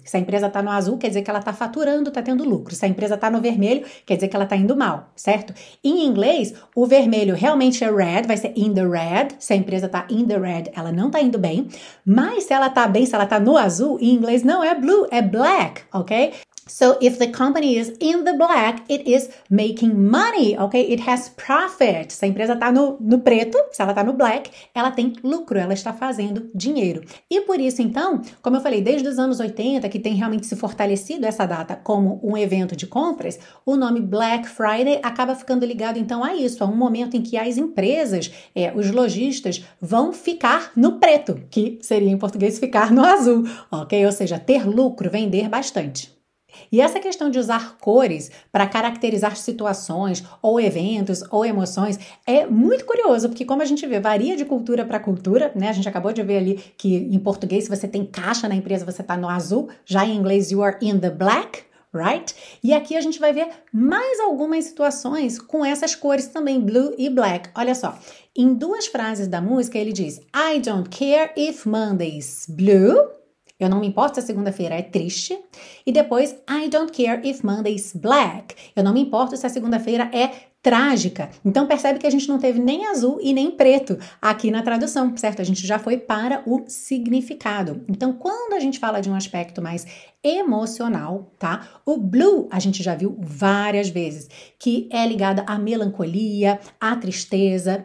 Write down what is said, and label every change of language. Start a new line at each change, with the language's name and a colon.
Portuguese: Se a empresa está no azul, quer dizer que ela está faturando, está tendo lucro. Se a empresa está no vermelho, quer dizer que ela está indo mal, certo? Em inglês, o vermelho realmente é red, vai ser
English: in the red.
Portuguese: Se a empresa está
English: in the red,
Portuguese: ela não está indo bem. Mas se ela está bem, se ela está no azul, em inglês não é blue, é black, ok?
English: So, if the company is in the black, it is making money, okay? It has profit.
Portuguese: Se a empresa está no preto, se ela está no black, ela tem lucro, ela está fazendo dinheiro. E por isso, então, como eu falei, desde os anos 80, que tem realmente se fortalecido essa data como um evento de compras, o nome Black Friday acaba ficando ligado, então, a isso, a um momento em que as empresas, os lojistas, vão ficar no preto, que seria em português ficar no azul, ok? Ou seja, ter lucro, vender bastante. E essa questão de usar cores para caracterizar situações ou eventos ou emoções é muito curioso, porque como a gente vê, varia de cultura para cultura, né? A gente acabou de ver ali que em português, se você tem caixa na empresa, você está no azul, já em inglês,
English: you are in the black, right?
Portuguese: E aqui a gente vai ver mais algumas situações com essas cores também, blue e black. Olha só, em duas frases da música ele diz:
English: I don't care if Monday's blue.
Portuguese: Eu não me importo se a segunda-feira é triste. E depois,
English: I don't care if Monday's black.
Portuguese: Eu não me importo se a segunda-feira é trágica. Então, percebe que a gente não teve nem azul e nem preto aqui na tradução, certo? A gente já foi para o significado. Então, quando a gente fala de um aspecto mais emocional, tá? O blue a gente já viu várias vezes, que é ligada à melancolia, à tristeza.